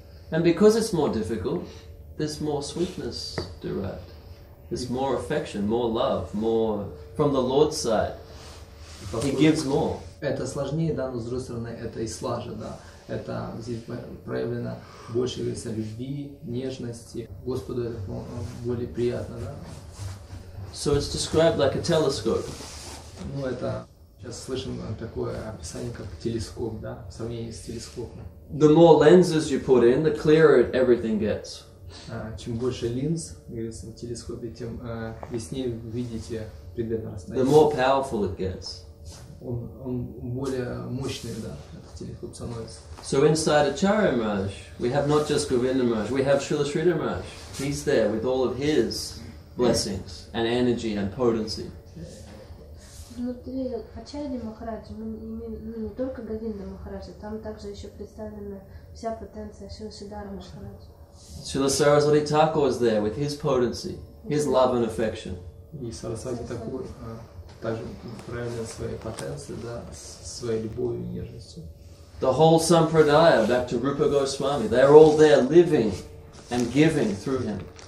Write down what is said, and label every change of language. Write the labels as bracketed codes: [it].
[en] And because it's more difficult, there's more sweetness derived. There's more affection, more love, more from the Lord's side. He gives more. [ru] Это сложнее, да, но с другой стороны, это и слаже, да. Это здесь проявлено больше любви, нежности. Господу это более приятно, да. [en] So it's described like a telescope. [ru] Ну, это. Сейчас слышим такое описание, как телескоп, да, в сравнении с телескопом. [en] The more lenses you put in, the clearer everything gets. [ru] Чем больше линз, говорится, в телескопе, тем яснее видите предметное расстояние. [en] The more powerful it gets. [ru] Он более мощный, да, этот телескоп становится. [en] So inside Acharya Maharaj, we have not just Govinda Maharaj, we have Srila Sridhar Maharaj. He's there with all of his blessings and energy and potency. [ru] Внутри Ачарьи Махараджи, мы не только Говинда Махараджи, там также еще представлена вся потенция Шрила Сридхара Махараджи. [en] Шрила Сарасвати Тхакур is there with his potency, his love and affection. [ru] И Сарасвати Тхакур также проявляет свои потенции, да, своей любовью и нежностью. [en] The whole Sampradaya, back to Rupa Goswami, they are all there living and giving through him.